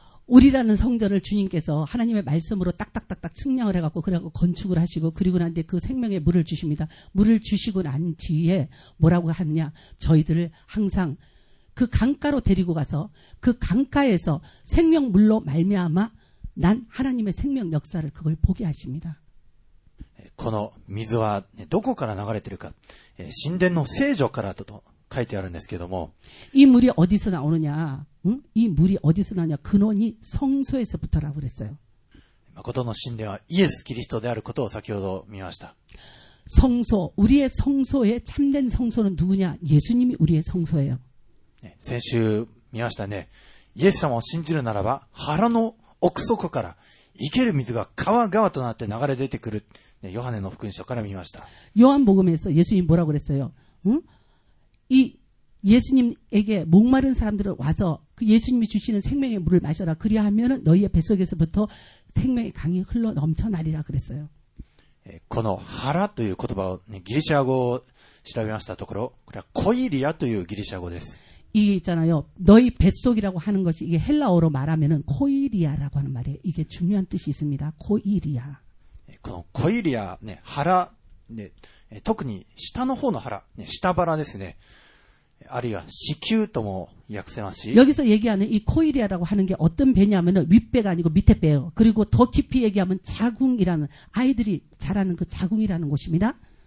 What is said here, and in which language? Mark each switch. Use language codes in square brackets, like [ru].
[ko] 우리라는성전을주님께서하나님의말씀으로딱딱딱딱측량을해갖고그래갖고건축을하시고그리고난뒤에그생명의물을주십니다물을주시고난뒤에뭐라고하느냐저희들을항상그강가로데리고가서그강가에서생명물로말미암아난하나님의생명역사를그걸보게하십니다 [ja] この水はどこから流れてるか神殿の聖所からだと書いてあるんですけども [ko] 이물이어디서나오느냐응이물이어디서나냐근원이성소에서부터라고그랬어요 [ja] まことの神殿はイエス・キリストであることを先ほど見ました [ko] 성소우리의성소에참된성소는누구냐예수님이우리의성소예요 [ja] 네先週見ましたねイエス様を信じるならば腹の奥底から生ける水が川川となって流れ出てくる、ね、ヨハネの福音書から見ました [ko] 요한복음에서예수님뭐라고그랬어요응이예수님에게목마른사람들은와서그예수님이주시는생명의물을마셔라그리하면은너희의뱃속에서부터생명의강이흘러넘쳐나리라그랬어요 [ja] この腹という言葉を、ね、ギリシャ語を調べましたところこれはコイリアというギリシャ語です [ko] 이게있잖아요너희뱃속이라고하는것이이게헬라어로말하면은코이리아라고하는말이에요이게중요한뜻이있습니다코이리아 [ja] このコイリア、ね、腹、ね、特に下の方の腹、ね、下腹ですねあるいは子宮とも訳せますし [ko] 여기서얘기하는이코이리아라고하는게어떤배냐면은윗배가아니고밑에배요그리고더깊이얘기하면자궁이라는아이들이자라는그자궁이라는곳입니다